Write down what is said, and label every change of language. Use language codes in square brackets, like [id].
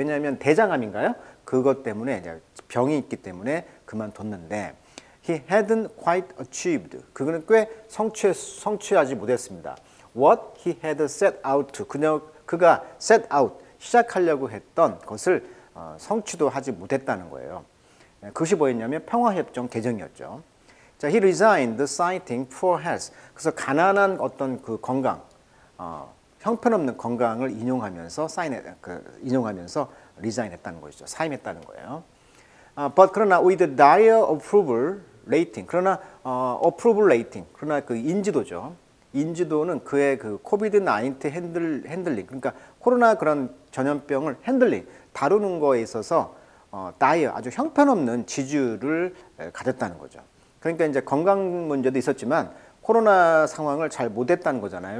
[ko] 왜냐하면 대장암인가요? 그것 때문에 이제 병이 있기 때문에 그만뒀는데 [en] he hadn't quite achieved, [ko] 그거는 꽤 성취하지 못했습니다. [en] What he had set out to, [ko] 그가 [en] set out, [ko] 시작하려고 했던 것을 성취도 하지 못했다는 거예요. 그것이 뭐였냐면 평화협정 개정이었죠. [en] 자, he resigned, citing poor health. [ko] 그래서 가난한 어떤 그 건강, 형편없는 건강을 인용하면서 인용하면서 resign했다는 것이죠. 사임했다는 거예요. [en] But 그러나 with dire approval rating, 그러나 approval rating, [ko] 그러나 그 인지도죠. 인지도는 그의 그 COVID-19 핸들링, 그러니까 코로나 그런 전염병을 핸들링, 다루는 거에 있어서 다이어, 아주 형편없는 지지율을 가졌다는 거죠. 그러니까 이제 건강 문제도 있었지만 코로나 상황을 잘 못했다는 거잖아요.